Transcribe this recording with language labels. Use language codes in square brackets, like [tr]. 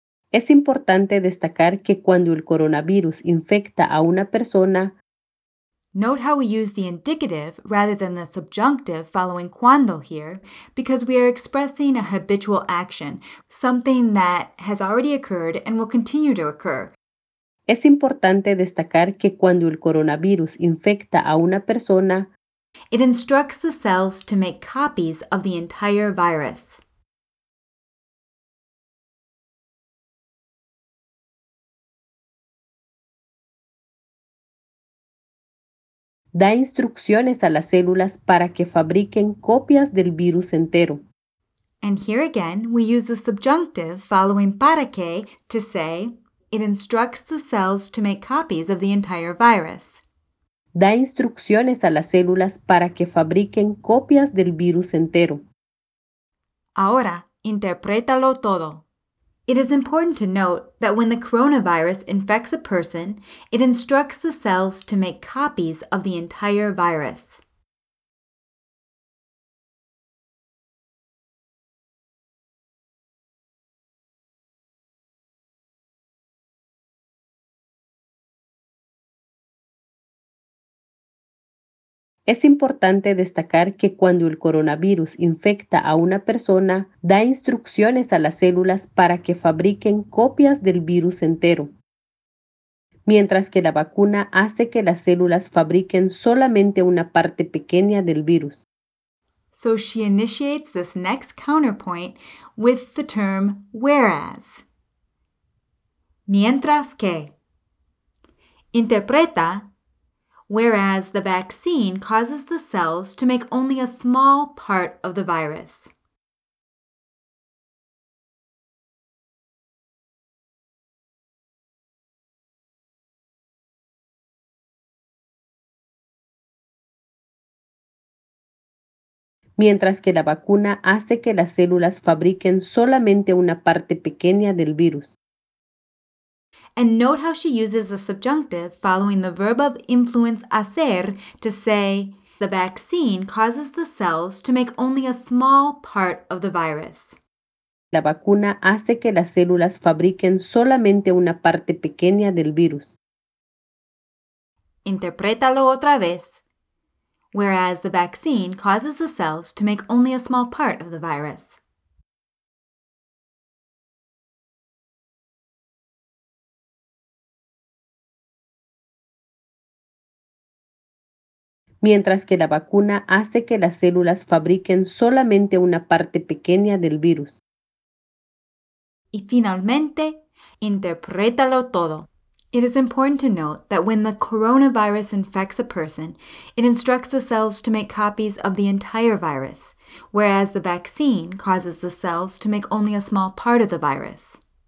[es] es importante destacar que cuando el coronavirus infecta a una persona, [en] note how we use the indicative rather than the subjunctive following cuando here, because we are expressing a habitual action, something that has already occurred and will continue to occur. [es] Es importante destacar que cuando el coronavirus infecta a una persona, [en] it instructs the cells to make copies of the entire virus. [es] Da instrucciones a las células para que fabriquen copias del virus entero. [en] And here again, we use the subjunctive following [es] para que [en] to say, it instructs the cells to make copies of the entire virus. [es] Da instrucciones a las células para que fabriquen copias del virus entero. Ahora, interprétalo todo. [en] It is important to note that when the coronavirus infects a person, it instructs the cells to make copies of the entire virus. [es] Es importante destacar que cuando el coronavirus infecta a una persona, da instrucciones a las células para que fabriquen copias del virus entero, mientras que la vacuna hace que las células fabriquen solamente una parte pequeña del virus. [en] So she initiates this next counterpoint with the term whereas. [es] Mientras que. Interpreta. [en] Whereas the vaccine causes the cells to make only a small part of the virus. [es] Mientras que la vacuna hace que las células fabriquen solamente una parte pequeña del virus. [en] And note how she uses the subjunctive following the verb of influence hacer to say, the vaccine causes the cells to make only a small part of the virus. [es] La vacuna hace que las células fabriquen solamente una parte pequeña del virus. Interprétalo otra vez. [en] Whereas the vaccine causes the cells to make only a small part of the virus. [es] Mientras que la vacuna hace que las células fabriquen solamente una parte pequeña del virus. Y finalmente, interprétalo todo. [en] It is important to note that when the coronavirus infects a person, it instructs the cells to make copies of the entire virus, whereas the vaccine causes the cells to make only a small part of the virus.